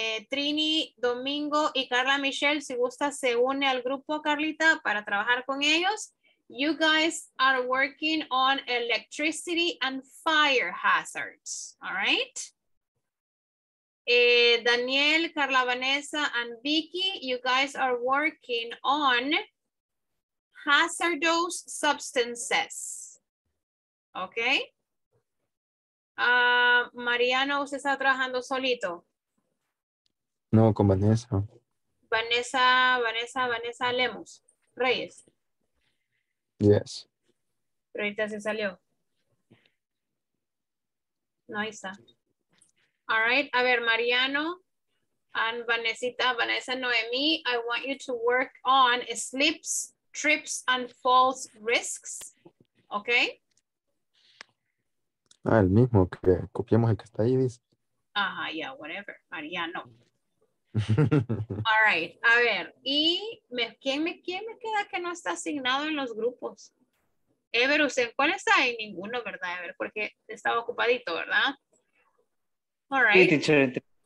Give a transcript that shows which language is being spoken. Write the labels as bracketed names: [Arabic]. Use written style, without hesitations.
[Spanish] Trini, Domingo y Carla Michelle, si gusta, se une al grupo, Carlita, para trabajar con ellos. [English] You guys are working on electricity and fire hazards. All right. Daniel, Carla Vanessa, and Vicky, you guys are working on hazardous substances. Okay. [Spanish] Mariano, usted está trabajando solito. No, con Vanessa. Vanessa Lemus. Reyes. [English] Yes. [Spanish] Pero ahorita se salió. No, ahí está. [English] All right, [Spanish] a ver, [English] Mariano and Vanessa, Vanessa Noemi, I want you to work on slips, trips, and falls risks, okay? [Spanish] Ah, el mismo que copiamos el que está ahí, dice. [English] Ajá, yeah, whatever, Mariano. All right, [Spanish] a ver, y me, ¿quién me queda que no está asignado en los grupos? Ever, ¿usted cuál está ahí? Ninguno, ¿verdad, Ever? Porque estaba ocupadito, ¿verdad? [English] All right.